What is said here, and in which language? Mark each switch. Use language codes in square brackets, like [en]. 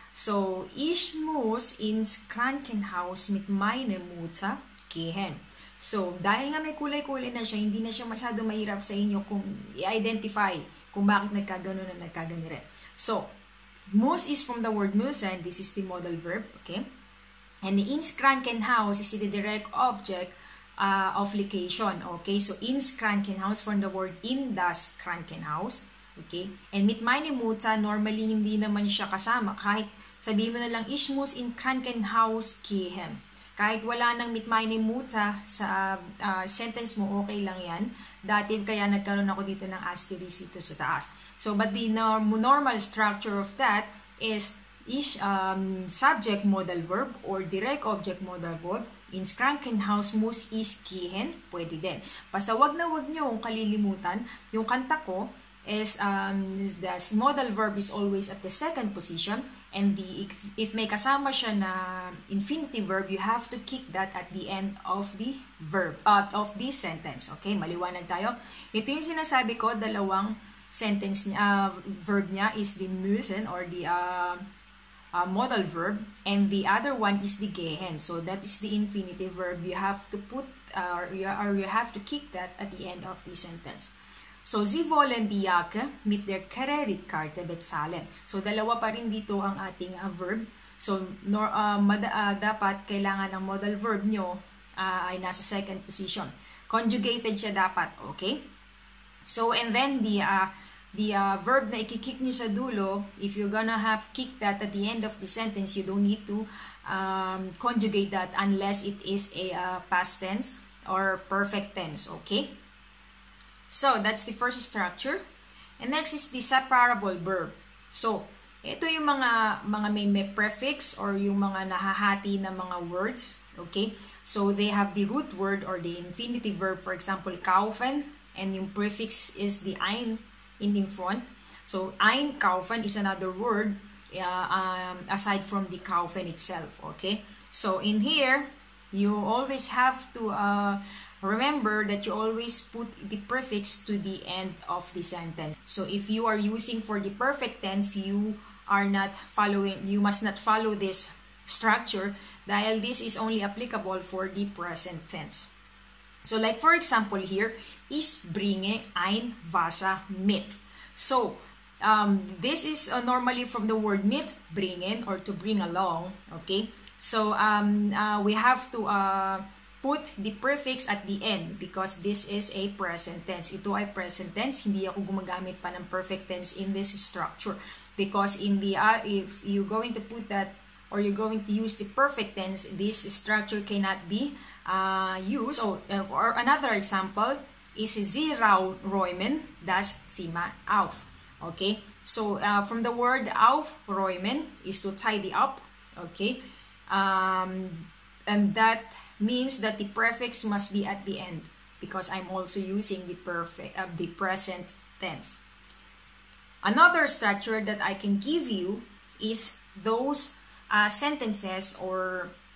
[de] So, ich muss ins Krankenhaus mit meiner Mutter gehen. [tl] So, dahil nga may kulay-kulay na siya, hindi na siya masyado mahirap sa inyo kung i-identify kung bakit nagkaganon at nagkagani rin. [en] So, muss is from the word müssen. This is the modal verb, okay? And ins Krankenhaus is the direct object of location, okay? So, ins Krankenhaus from the word in das Krankenhaus, okay? [tl] And [de] mit meine Mutter, [tl] normally hindi naman siya kasama, kahit sabihin mo na lang, [de] ich muss in Krankenhaus gehen. [tl] Kahit wala nang [de] mit meine Mutter [tl] sa sentence mo, okay lang yan. Dative, kaya nagkaroon ako dito ng asterisk dito sa taas. [en] So, but the normal structure of that is ich, subject modal verb or direct object modal verb. [de] Ins Krankenhaus muss ich gehen. [tl] Pwede din. Basta wag nyo kalilimutan. Yung kanta ko [en] is the modal verb is always at the second position. And the if [tl] may kasama siya na [en] infinitive verb, you have to kick that at the end of the verb, of the sentence. [tl] Okay, maliwanag tayo. Ito yung sinasabi ko, dalawang sentence verb niya [en] is the müssen or the modal verb, and the other one is the gehen. So that is the infinitive verb. You have to put you have to kick that at the end of the sentence. [de] So sie wollen die Jacke mit der Kreditkarte bezahlen. [tl] So dalawa pa rin dito ang ating verb. So dapat kailangan ng modal verb nyo ay nasa second position. Conjugated siya dapat, okay? [en] So and then the verb [tl] na ikikick nyo sa dulo, [en] if you're gonna have kick that at the end of the sentence, you don't need to conjugate that unless it is a past tense or perfect tense, okay? So, that's the first structure. And next is the separable verb. [tl] So, ito yung mga may prefix or yung mga nahahati na mga words, okay? [en] So, they have the root word or the infinitive verb, for example, kaufen, and yung prefix is the ein, in front. So, einkaufen is another word aside from the kaufen itself, okay? So, in here, you always have to remember that you always put the prefix to the end of the sentence. So, if you are using for the perfect tense, you are not following, you must not follow this structure dahil this is only applicable for the present tense. So, like for example here, [de] ich bringe ein Wasser mit. [en] So, this is normally from the word mit, bringen, or to bring along, okay? So, we have to put the prefix at the end because this is a present tense. [tl] Ito ay present tense, hindi ako gumagamit pa ng perfect tense [en] in this structure. Because in the if you're going to put that, or you're going to use the perfect tense, this structure cannot be used. So, or another example, is [de] sie räumen das Zimmer auf. [en] Okay? So, from the word aufräumen is to tidy up. Okay? And that means that the prefix must be at the end because I'm also using the the present tense. Another structure that I can give you is those sentences or